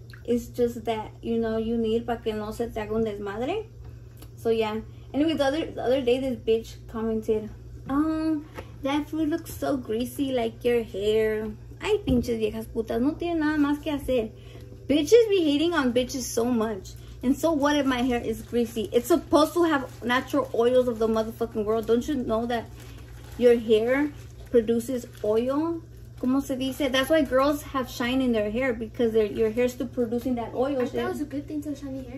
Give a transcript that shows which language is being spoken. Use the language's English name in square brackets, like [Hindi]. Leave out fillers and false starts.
[English] It's just that, you know, you need [Spanish] para que no se te haga un desmadre. [English] So, yeah. Anyway, the other day, this bitch commented, that food looks so greasy, like your hair. [Spanish] Ay, pinches viejas putas, no tienen nada más que hacer. [English] Bitches be hating on bitches so much. And so what if my hair is greasy? It's supposed to have natural oils of the motherfucking world. Don't you know that your hair produces oil? [Spanish] ¿Cómo se dice? [English] That's why girls have shine in their hair because your hair is still producing that oil. I thought it was a good thing to have shiny hair.